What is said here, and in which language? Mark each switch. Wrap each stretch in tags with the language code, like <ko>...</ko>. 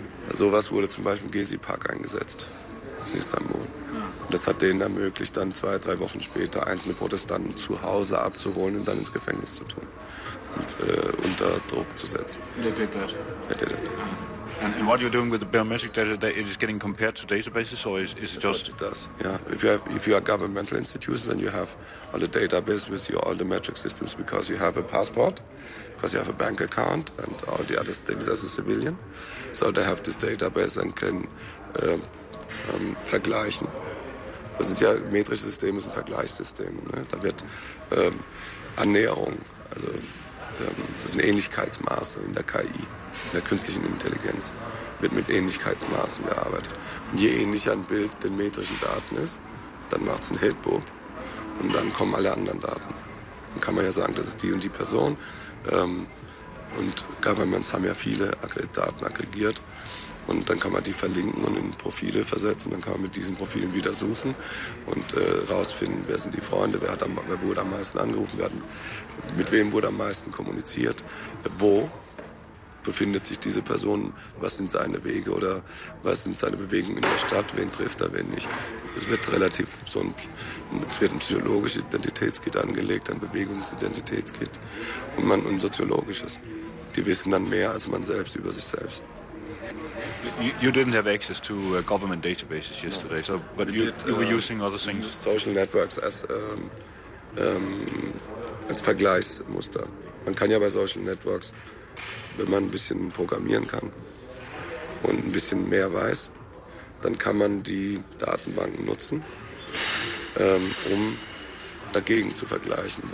<de>Sowas wurde zum Beispiel im Gezi-Park eingesetzt, in Istanbul. Und das hat denen ermöglicht, dann 2-3 Wochen später einzelne Protestanten zu Hause abzuholen und dann ins Gefängnis zu tun und unter Druck zu setzen.</de> <en>They did that. And what you're doing with the biometric data, it is getting compared to databases, or is it just... It does, yeah. If you are governmental institutions and you have all the database with you, all the metric systems, because you have a passport, because you have a bank account and all the other things as a civilian. So they have this database and can vergleichen.</en> <de>Das ist ja, metrisches System ist ein Vergleichssystem. Ne? Da wird Annäherung, also das sind Ähnlichkeitsmaße in der KI, in der künstlichen Intelligenz, wird mit Ähnlichkeitsmaßen gearbeitet. Und je ähnlicher ein Bild den metrischen Daten ist, dann macht es ein Hitbub und dann kommen alle anderen Daten. Dann kann man ja sagen, das ist die und die Person. Und Governments haben ja viele Daten aggregiert und dann kann man die verlinken und in Profile versetzen und dann kann man mit diesen Profilen wieder suchen und rausfinden, wer sind die Freunde, wer wurde am meisten angerufen, werden, mit wem wurde am meisten kommuniziert, wo befindet sich diese Person, was sind seine Wege oder was sind seine Bewegungen in der Stadt, wen trifft er, wen nicht. Es wird relativ so ein, es wird ein psychologisches Identitätskit angelegt, ein Bewegungsidentitätskit und man ein soziologisches. Die wissen dann mehr als man selbst über sich selbst.</de> <en>You didn't have access to government databases yesterday, no. So but you were using other things. Social networks as als Vergleichsmuster.</en> <de>Man kann ja bei Social Networks, wenn man ein bisschen programmieren kann und ein bisschen mehr weiß, dann kann man die Datenbanken nutzen, um dagegen zu vergleichen.</de>